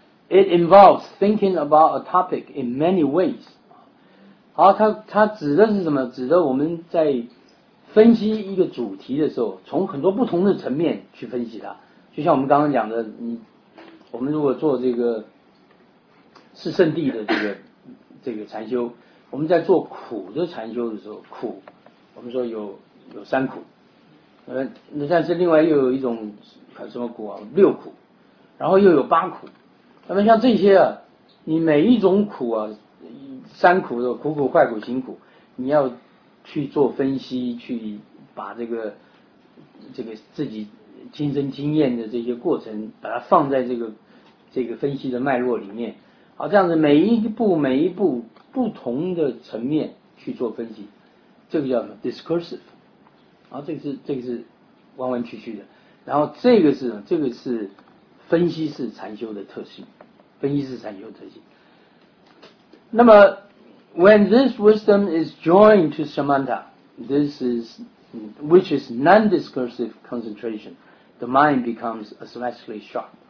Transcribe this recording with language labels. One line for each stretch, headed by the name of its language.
English: It involves thinking about a topic in many ways。
Chinese: 好，它指的是什么？指的我们在分析一个主题的时候，从很多不同的层面去分析它。就像我们刚刚讲的，我们如果做这个四圣谛的这个禅修，我们在做苦的禅修的时候，苦，我们说有三苦，那但是另外又有一种什么苦啊？六苦，然后又有八苦，那么像这些啊，你每一种苦啊，三苦的苦苦坏苦行苦，你要去做分析，去把这个自己亲身经验的这些过程，把它放在这个分析的脉络里面，好，这样子每一步每一步。不同的层面去做分析，这个叫什么 discursive， 然后这个是弯弯曲曲的，然后这个是分析式禅修的特性，分析式禅修的特性。
English: 那么 when this wisdom is joined to samatha， this is which is non-discursive concentration， the mind becomes especially sharp。